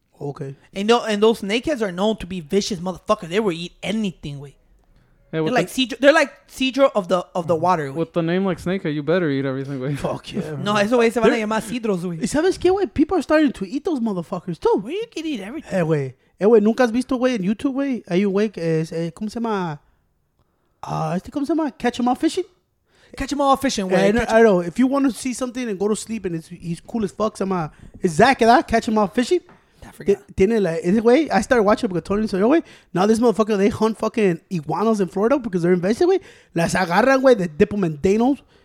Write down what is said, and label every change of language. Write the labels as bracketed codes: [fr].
[en] Okay. And those snakeheads are known to be vicious motherfuckers. They will eat anything, güey. Hey, they're like cedro of the water. With the name like snake, you better eat everything, güey. Fuck yeah. [es] No, eso güey se van a llamar cedros, güey. ¿Sabes qué, güey? [en] People are starting to eat those motherfuckers, too. Güey, you can eat everything. [es] Güey, ¿nunca has visto, güey, en YouTube, güey? Hay un güey que es, ¿cómo se llama? ¿Cómo se llama? Catch 'em all fishing? Catch 'em all fishing, güey. [en] I don't know. If you want to see something and go to sleep and he's cool as fuck, is Zach that? Catch 'em all fishing? [es] Tiene la, [en] anyway, I started watching because Tony said, "Oh wait, now this motherfucker they hunt fucking iguanas in Florida because they're invasive." [es] Las agarran, güey, [en] they dip them in danos,